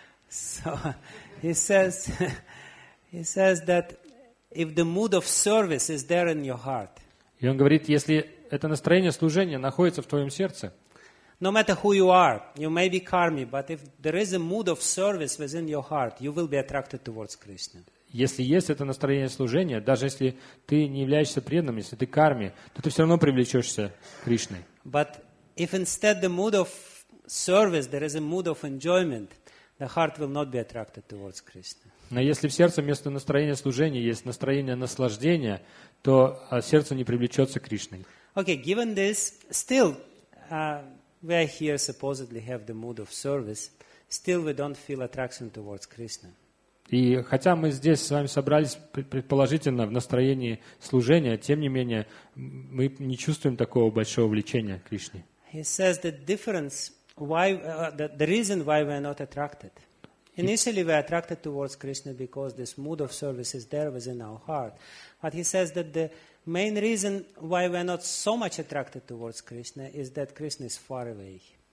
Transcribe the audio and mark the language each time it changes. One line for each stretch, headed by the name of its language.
English: So, he says that if the mood of service is there in your heart.
Russian: И он говорит, если это настроение служения находится в твоем сердце.
English: No matter who you are, you may be karmic, but if there is a mood of service within your heart, you will be attracted towards Krishna.
Russian: Если есть это настроение служения, даже если ты не являешься преданным, если ты карми, то ты все равно привлечешься к Кришне.
English: But if instead the mood of service, there is a mood of enjoyment, the heart will not be attracted towards Krishna.
Russian: Но если в сердце вместо настроения служения есть настроение наслаждения, то сердце не привлечется к Кришне.
English: Okay, given this, still we are here supposedly have the mood of service, still we don't feel attraction towards Krishna.
Russian: И хотя мы здесь с вами собрались предположительно в настроении служения, тем не менее мы не чувствуем такого большого влечения к Кришне.
English: He says the difference, why the reason why we are not attracted. Initially we are attracted towards Krishna because this mood of service is there within our heart. But he says that the main reason why we are not so much attracted towards Krishna is that Krishna is far away.